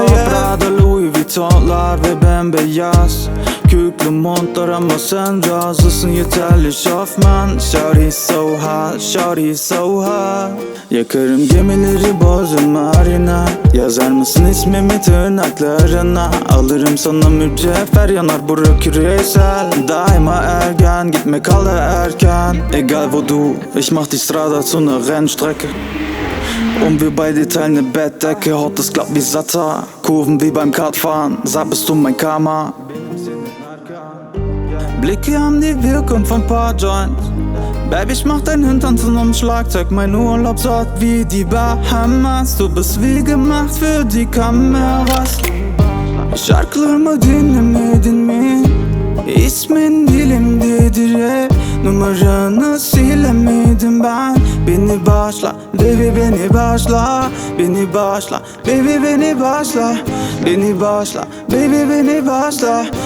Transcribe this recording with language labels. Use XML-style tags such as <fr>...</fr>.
<tr>Gucci diyor Prada, Louis Vuitton'lar ve bembeyaz küklü montlar, ama sen razısın yeterli şofman.</tr> <en>Shawty so hot, shawty so hot.</en> <tr>Yakarım gemileri, bozum marina. Yazar mısın ismimi tırnaklarına? Alırım sana mücevher, yanar bura küresel. Daima ergen, gitme kalı erken.</tr> <de>Egal wo du, ich mach die Strada zu ner Rennstrecke. Und wir beide teilen ne Bettdecke. Hot ist glatt wie Satta. Kurven wie beim Kartfahren, sag bist du mein Karma. Blicke haben die Wirkung von paar Joints. Baby, ich mach dein Hintern zu nem Schlagzeug. Mein Urlaubsort wie die Bahamas. Du bist wie gemacht für die Kameras.</de> <tr>Şarkılarımı dinlemedin mi? İsmin dilimde direk, numaranı silemedim ben. Beni bağışla, baby beni bağışla. Beni bağışla, baby beni bağışla. Beni bağışla, baby beni bağışla.</tr>